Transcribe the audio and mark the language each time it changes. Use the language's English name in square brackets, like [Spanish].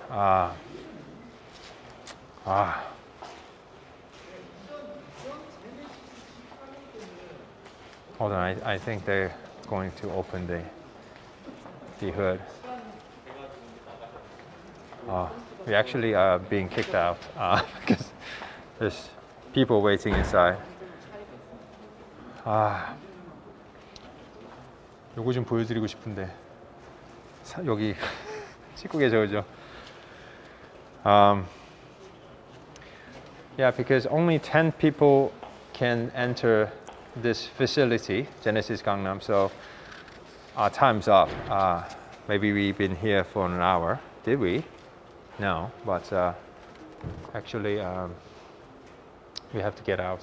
[English] Hold on, I think they're going to open the hood. We're actually being kicked out because there's people waiting inside. [Korean] 요거 좀 보여드리고 싶은데 여기 찍고 계셔 그죠? [English] Yeah, because only 10 people can enter this facility, Genesis Gangnam, so our time's up. Maybe we've been here for an hour, did we? No, but actually we have to get out.